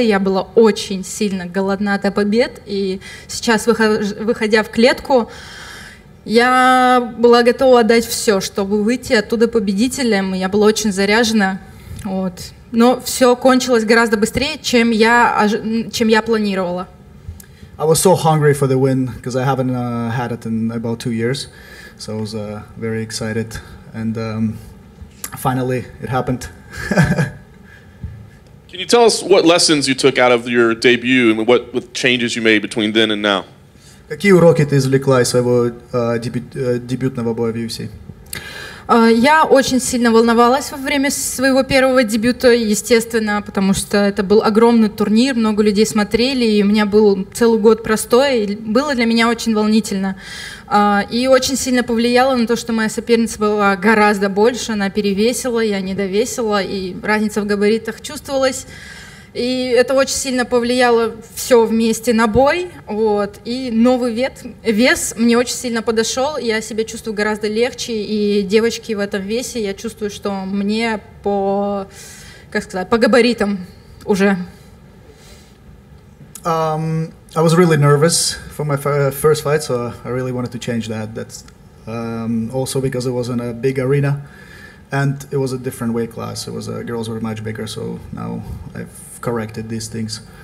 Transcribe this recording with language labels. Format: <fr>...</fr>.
<ru>Я была очень сильно голодна до побед. И сейчас, выходя в клетку, я была готова отдать все, чтобы выйти оттуда победителем. Я была очень заряжена. Вот. Но все кончилось гораздо быстрее, чем я планировала.</ru> <en>I was so hungry for the win because I haven't had it in about 2 years, so I was very excited, and finally it happened. Can you tell us what lessons you took out of your debut and what changes you made between then and now?</en> <ru>Какие уроки ты извлекла из своего дебютного боя в UFC? Я очень сильно волновалась во время своего первого дебюта, естественно, потому что это был огромный турнир, много людей смотрели, и у меня был целый год простой, и было для меня очень волнительно. И очень сильно повлияло на то, что моя соперница была гораздо больше, она перевесила, я недовесила, и разница в габаритах чувствовалась. И это очень сильно повлияло все вместе на бой, вот, и новый вес мне очень сильно подошел, я себя чувствую гораздо легче, и девочки в этом весе, я чувствую, что мне по, как сказать, по габаритам уже.</ru> <en>I was really nervous for my first fight, so I really wanted to change that. That's also because it was in a big arena. And it was a different weight class. It was girls were much bigger, so now I've corrected these things.</en>